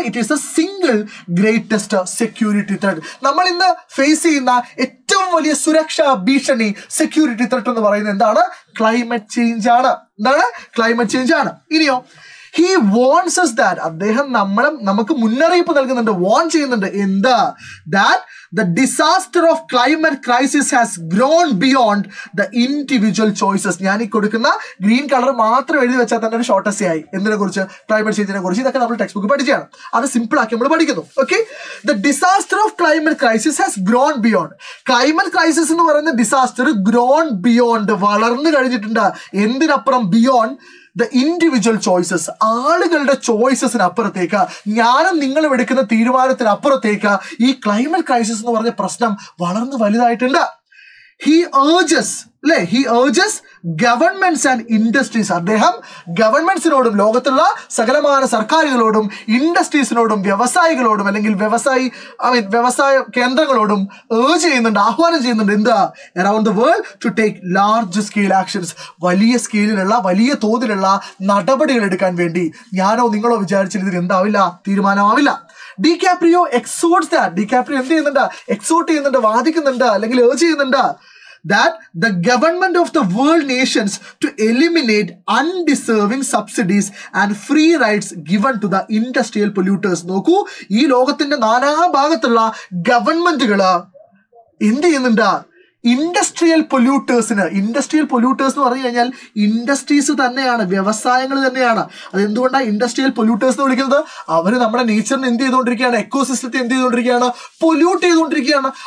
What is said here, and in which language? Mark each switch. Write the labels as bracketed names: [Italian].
[English] It is a single greatest security threat. [Malayalam] നമ്മൾ ഇന്ന് face ചെയ്യുന്ന ഏറ്റവും വലിയ സുരക്ഷാ ഭീഷണി, സെക്യൂരിറ്റി ത്രെഡ് എന്ന് പറയുന്നത് എന്താണ്? ക്ലൈമറ്റ് ചേഞ്ച് ആണ്. എന്താണ്? ക്ലൈമറ്റ് ചേഞ്ച് ആണ്. ഇനിയോ, [English] He warns us that, [Malayalam] അദ്ദേഹം നമ്മളെ നമുക്ക് മുന്നറിയിപ്പ് നൽകുന്നുണ്ട്, വോൺ ചെയ്യുന്നുണ്ട്. എന്ത്? [English] That the disaster of climate crisis has grown beyond the individual choices. [Malayalam] ഞാൻ ഈ കൊടുക്കുന്ന ഗ്രീൻ കളർ മാത്രം എഴുതി വെച്ചാൽ തന്നെ ഒരു ഷോർട്ട് എസ്സേ ആയി. എന്തിനെ കുറിച്ച്? ക്ലൈമറ്റ് ചേഞ്ചിനെ കുറിച്ച്. ഇതൊക്കെ നമ്മൾ ടെക്സ്റ്റ് ബുക്ക് പഠിച്ചാണ്, അത് സിമ്പിളാക്കി നമ്മൾ പഠിക്കുന്നു. Okay, [English] The disaster of climate crisis has grown beyond. [Malayalam] Climate crisis എന്ന് പറയുന്ന ഡിസാസ്റ്റർ ഗ്രോൺ ബിയോണ്ട്, വളർന്നു കഴിഞ്ഞിട്ടുണ്ട്. എന്തിനപ്പുറം? [English] beyond the individual choices, [Malayalam] ആളുകളുടെ ചോയ്സസിനപ്പുറത്തേക്ക്, ഞാനും നിങ്ങളും എടുക്കുന്ന തീരുമാനത്തിനപ്പുറത്തേക്ക് ഈ ക്ലൈമറ്റ് ക്രൈസിസ് എന്ന് പറഞ്ഞ പ്രശ്നം വളർന്ന് വലുതായിട്ടുണ്ട്. [English] He urges governments and industries. [Malayalam] അദ്ദേഹം ഗവൺമെൻറ്സിനോടും ലോകത്തുള്ള സകലമായ സർക്കാരുകളോടും ഇൻഡസ്ട്രീസിനോടും വ്യവസായികളോടും അല്ലെങ്കിൽ വ്യവസായ കേന്ദ്രങ്ങളോടും ഏർജ് ചെയ്യുന്നുണ്ട്, ആഹ്വാനം ചെയ്യുന്നുണ്ട്. എന്താ? [English] Around the world to take large scale actions, [Malayalam] വലിയ സ്കെയിലിലുള്ള വലിയ തോതിലുള്ള നടപടികൾ എടുക്കാൻ വേണ്ടി. ഞാനോ നിങ്ങളോ വിചാരിച്ചിട്ട് ഇതിൽ എന്താവില്ല, തീരുമാനമാവില്ല. [English] DiCaprio exhorts that. [Malayalam] D Caprio എന്ത് ചെയ്യുന്നുണ്ട്? എക്സോർട്ട് ചെയ്യുന്നുണ്ട്, വാദിക്കുന്നുണ്ട്, അല്ലെങ്കിൽ ഏർജ് ചെയ്യുന്നുണ്ട്. [English] That the government of the world nations to eliminate undeserving subsidies and free rights given to the industrial polluters. [Malayalam] നോക്കു, ഈ ലോകത്തിന്റെ നാനാ ഭാഗത്തുള്ള ഗവൺമെന്റുകൾ എന്ത് ചെയ്യുന്നുണ്ട്? ഇൻഡസ്ട്രിയൽ പൊല്യൂട്ടേഴ്സിന്, ഇൻഡസ്ട്രിയൽ പൊല്യൂട്ടേഴ്സ് എന്ന് പറഞ്ഞു കഴിഞ്ഞാൽ ഇൻഡസ്ട്രീസ് തന്നെയാണ്, വ്യവസായങ്ങൾ തന്നെയാണ്. അതെന്തുകൊണ്ടാണ് ഇൻഡസ്ട്രിയൽ പൊല്യൂട്ടേഴ്സ് എന്ന് വിളിക്കുന്നത്? അവർ നമ്മുടെ നേച്ചറിനെ എന്ത് ചെയ്തുകൊണ്ടിരിക്കുകയാണ്, എക്കോസിസ്റ്റത്തെ എന്ത് ചെയ്തുകൊണ്ടിരിക്കുകയാണ്, പൊല്യൂട്ട് ചെയ്തുകൊണ്ടിരിക്കുകയാണ്.